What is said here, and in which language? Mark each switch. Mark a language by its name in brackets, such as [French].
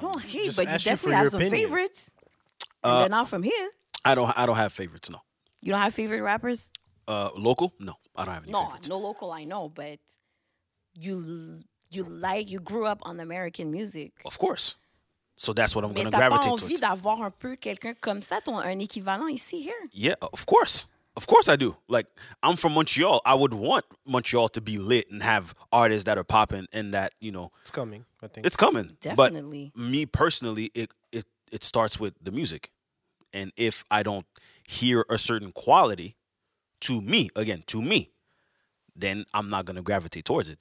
[English] Don't hate, but you definitely have some favorites. And they're not from here. I don't have favorites. No. You don't have favorite rappers? Local? No, I don't have any favorites. No local, I know, but you grew up on American music. Of course. So that's what I'm going to gravitate towards. [French] Mais t'as pas envie d'avoir un peu quelqu'un comme ça, un équivalent ici here? [English] Yeah, of course. Of course I do. Like, I'm from Montreal. I would want Montreal to be lit and have artists that are popping and that, you know. It's coming, I think. It's coming. Definitely. But me personally, it starts with the music. And if I don't hear a certain quality to me, then I'm not going to gravitate towards it.